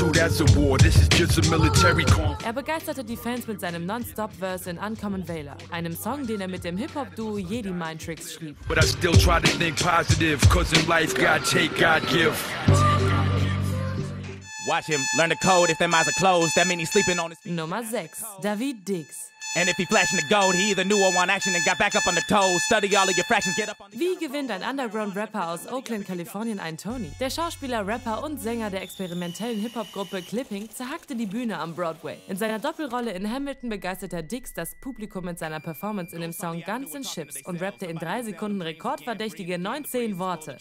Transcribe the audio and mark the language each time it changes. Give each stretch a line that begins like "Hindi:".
German: Er begeisterte die Fans mit seinem Non-Stop-Verse in Uncommon Valor, einem Song, den er mit dem Hip-Hop-Duo Jedi Mind Tricks schrieb.
English: But I still try to think positive, 'cause in life God take, God give. Watch him learn the code. If them eyes are closed, that means he's sleeping on his feet.
German: Nummer 6,
English: David Diggs. And if he flashing the gold, he either knew or want action and got back up on the toes. Study all of your fractions, get up on the.
German: Wie gewinnt ein Underground-Rapper aus Oakland, Kalifornien einen Tony? Der Schauspieler, Rapper und Sänger der experimentellen Hip-Hop-Gruppe Clipping zerhackte die Bühne am Broadway. In seiner Doppelrolle in Hamilton begeisterte Diggs das Publikum mit seiner Performance in dem Song Guns and Chips und rappte in 3 Sekunden rekordverdächtige 19 Worte.